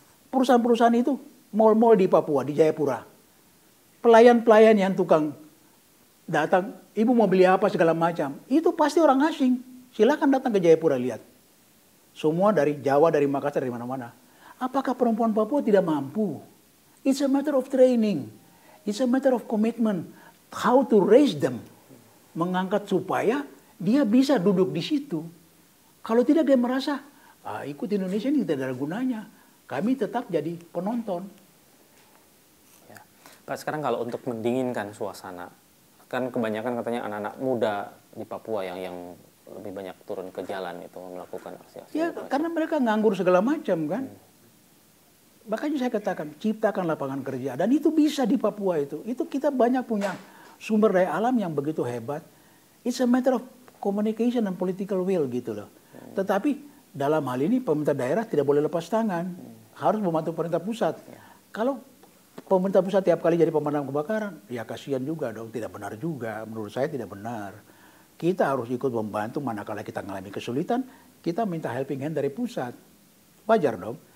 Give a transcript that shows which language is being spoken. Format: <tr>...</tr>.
<id>Perusahaan-perusahaan itu, mal-mal di Papua, di Jayapura. Pelayan-pelayan yang tukang datang, ibu mau beli apa segala macam. Itu pasti orang asing. Silakan datang ke Jayapura lihat. Semua dari Jawa, dari Makassar, dari mana-mana. Apakah perempuan Papua tidak mampu?</id> <en>It's a matter of training. It's a matter of commitment. How to raise them.</en> <id>Mengangkat supaya dia bisa duduk di situ. Kalau tidak dia merasa, ikut Indonesia ini tidak ada gunanya. Kami tetap jadi penonton. Ya. Pak, sekarang kalau untuk mendinginkan suasana, kan kebanyakan katanya anak-anak muda di Papua yang lebih banyak turun ke jalan itu melakukan aksi-aksi. Ya, karena mereka nganggur segala macam kan. Makanya saya katakan, ciptakan lapangan kerja. Dan itu bisa di Papua itu. Itu kita banyak punya sumber daya alam yang begitu hebat.</id> <en>It's a matter of communication and political will</en> <id>gitu loh. Tetapi dalam hal ini pemerintah daerah tidak boleh lepas tangan. Harus membantu pemerintah pusat. Kalau pemerintah pusat tiap kali jadi pemadam kebakaran, ya kasihan juga dong. Tidak benar juga. Menurut saya tidak benar. Kita harus ikut membantu manakala kita mengalami kesulitan, kita minta</id> <en>helping hand</en> <id>dari pusat. Wajar dong.</id>